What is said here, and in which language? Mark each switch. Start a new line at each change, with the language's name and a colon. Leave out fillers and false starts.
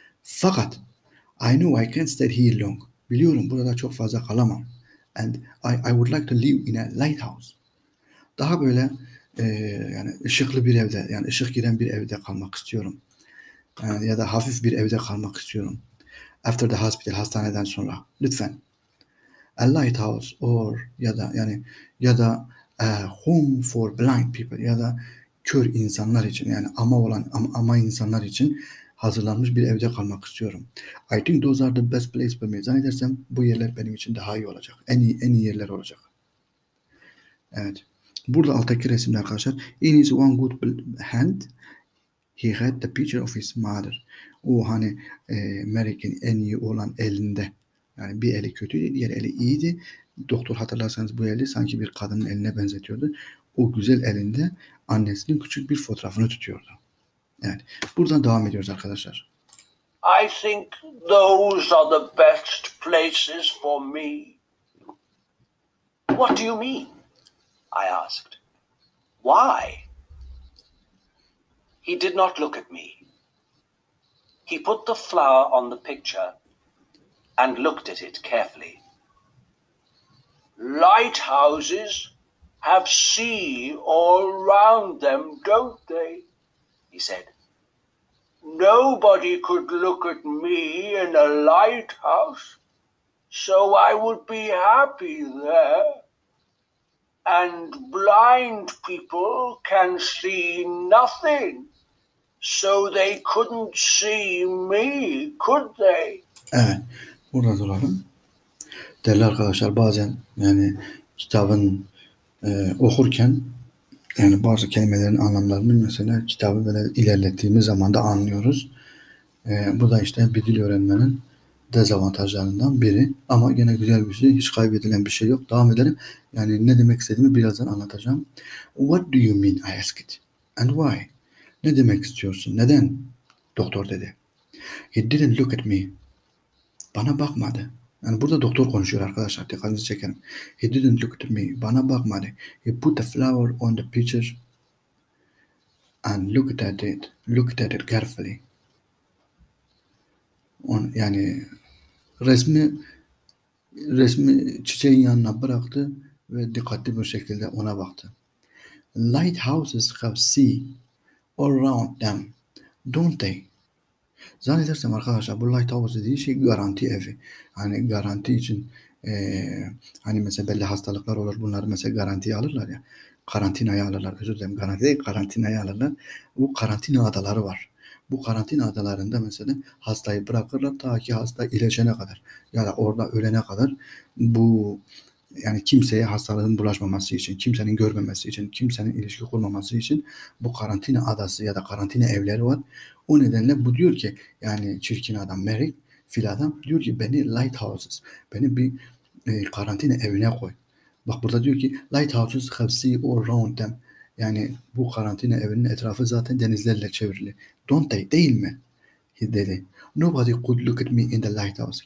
English: Fakat I know I can't stay here long.
Turkish: Biliyorum burada çok fazla kalamam.
English: And I would like to live in a lighthouse.
Turkish: Daha böyle yani ışıklı bir evde, yani ışık giren bir evde kalmak istiyorum. Ya da hafif bir evde kalmak istiyorum.
English: After the hospital,
Turkish: hastaneden sonra. Lütfen.
English: A lighthouse or
Turkish: ya da
English: a home for blind people,
Turkish: ya da kör insanlar için, yani ama insanlar için hazırlanmış bir evde kalmak istiyorum.
English: I think those are the best place for me.
Turkish: Zannedersem bu yerler benim için daha iyi olacak. En iyi yerler olacak. Evet. Burada alttaki resimde arkadaşlar,
English: in his one good hand he had the picture of his mother.
Turkish: O hani Merrick'in en iyi olan elinde, yani bir eli kötüydü, diğer eli iyiydi. Doktor hatırlarsanız bu eli sanki bir kadının eline benzetiyordu. O güzel elinde annesinin küçük bir fotoğrafını tutuyordu. Evet, buradan devam ediyoruz arkadaşlar.
English: I think those are the best places for me. What do you mean? I asked. Why? He did not look at me. He put the flower on the picture and looked at it carefully. Lighthouses have sea all round them, don't they? He said. Nobody could look at me in a lighthouse, so I would be happy there. And blind people can see nothing, so they couldn't see me, could they?
Turkish: Evet, burada duralım. Değerli arkadaşlar, bazen yani kitabın okurken yani bazı kelimelerin anlamlarını mesela kitabı böyle ilerlettiğimiz zaman da anlıyoruz. Bu da işte bir dil öğrenmenin dezavantajlarından biri. Ama yine güzel bir şey. Hiç kaybedilen bir şey yok. Devam edelim. Yani ne demek istediğimi birazdan anlatacağım.
English: What do you mean? I ask it. And why?
Turkish: Ne demek istiyorsun? Neden? Doktor dedi.
English: He didn't look at me.
Turkish: Bana bakmadı. Yani burada doktor konuşuyor arkadaşlar. Dikkatinizi çekerim.
English: He didn't look at me.
Turkish: Bana bakmadı.
English: He put the flower on the picture and looked at it. Looked at it carefully.
Turkish: Yani resmi çiçeğin yanına bıraktı ve dikkatli bir şekilde ona baktı.
English: Lighthouses have sea all around them, don't they?
Turkish: Zannedersem arkadaşlar bu lighthouse dediği şey garanti evi. Hani garanti için hani mesela belli hastalıklar olur. Bunlar mesela garantiye alırlar ya. Karantinaya alırlar. Özür dilerim. Garanti değil. Karantinaya alırlar. Bu karantina adaları var. Bu karantina adalarında mesela hastayı bırakırlar ta ki hasta iyileşene kadar. Ya da orada ölene kadar bu yani kimseye hastalığın bulaşmaması için, kimsenin görmemesi için, kimsenin ilişki kurmaması için bu karantina adası ya da karantina evleri var. O nedenle bu diyor ki yani çirkin adam Merrick fil adam diyor ki beni lighthouses, beni bir karantina evine koy. Bak burada diyor ki
English: lighthouses have sea all round them.
Turkish: Yani bu karantina evinin etrafı zaten denizlerle çevrili.
English: Don't they?
Turkish: Değil mi? He dedi.
English: Nobody could look at me in the lighthouse.